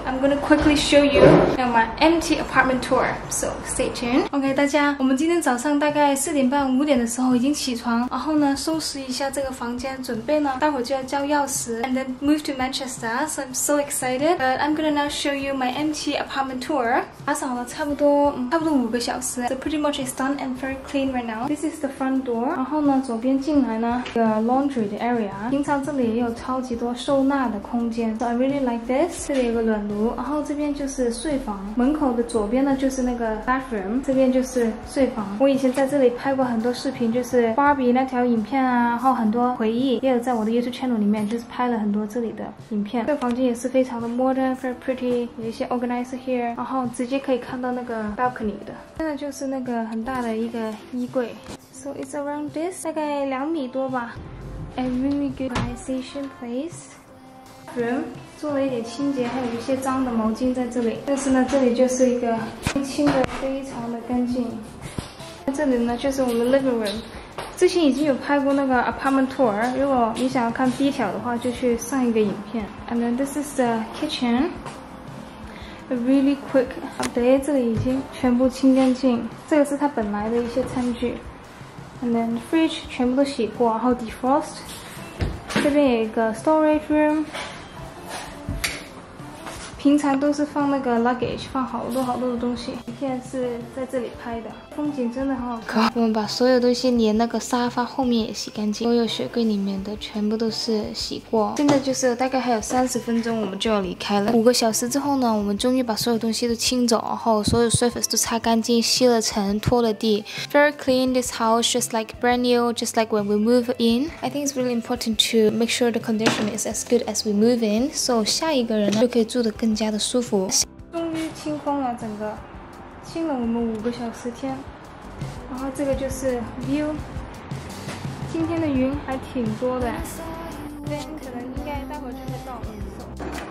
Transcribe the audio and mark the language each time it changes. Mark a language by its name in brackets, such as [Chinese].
[English] I'm gonna quickly show you my empty apartment tour, so stay tuned. [Chinese] OK， 大家，我们今天早上大概4:30-5:00的时候已经起床，然后呢收拾一下这个房间，准备呢待会就要交钥匙 ， [English] and then move to Manchester. So I'm so excited, but I'm gonna now show you my empty apartment tour. [Chinese] 打扫了差不多五个小时。 [English] So pretty much it's done and very clean right now. This is the front door. [Chinese] 然后呢，左边进来呢，一个 laundry 的 area。平常这里也有超级多收纳的空间。 [English] So I really like this. [Chinese] 这里有个暖炉，然后这边就是睡房。门口的左边呢就是那个 bathroom， 这边就是睡房。我以前在这里拍过很多视频，就是 Barbie 那条影片啊，然后很多回忆，也有在我的 YouTube channel 里面就是拍了很多这里的影片。这个房间也是非常的 modern， [English] very pretty， [Chinese] 有一些 [English] organizer here， [Chinese] 然后直接可以看到那个 balcony 的，现在就是那个很大的一个衣柜。 [English] So it's around this， [Chinese] 大概2米多吧。 [English] A really good organization place room， [Chinese] 做了一点清洁，还有一些脏的毛巾在这里。但是呢，这里就是一个清的非常的干净。这里呢就是我们 living room， 之前已经有拍过那个 apartment tour， 如果你想要看 detail 的话就去上一个影片。 [English] And then this is the kitchenA really quick update. [Chinese] 这里已经全部清干净。这个是它本来的一些餐具。 [English] And then fridge [Chinese] 全部都洗过，然后 defrost。这边有一个 storage room。平常都是放那个 luggage， 放好多好多的东西。影片是在这里拍的，风景真的很好看。我们把所有东西，连那个沙发后面也洗干净，所有雪柜里面的全部都是洗过。现在就是大概还有30分钟，我们就要离开了。五个小时之后呢，我们终于把所有东西都清走，然后所有 surface 都擦干净，吸了尘，拖了地。 [English] Very clean this house, just like brand new, just like when we move in. I think it's really important to make sure the condition is as good as we move in, so [Chinese] 下一个人呢就可以住得更。更加的舒服，终于清空了整个，清了我们5个小时天，然后这个就是 view， 今天的云还挺多的，这边可能应该待会就会到了。